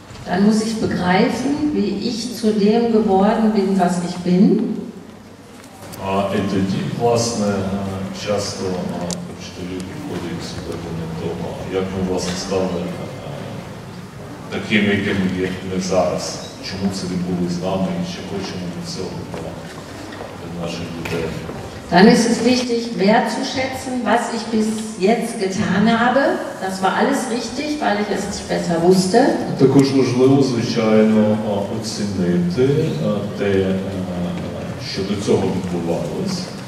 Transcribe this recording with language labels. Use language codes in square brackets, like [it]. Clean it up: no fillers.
[de] Dann muss ich begreifen, wie ich zu dem geworden bin, was ich bin. [uk] І тоді, власне, часто вчителі приходять сюди до того, як ми, власне, стали таким, яким є ми зараз, чому це відбулося з нами і чи хочемо ми цього для наших людей. [de] Dann ist es wichtig, wertzuschätzen, was ich bis jetzt getan habe. Das war alles richtig, weil ich es nicht besser wusste. [uk] Також важливо, звичайно, оцінити те, що до цього відбувалося.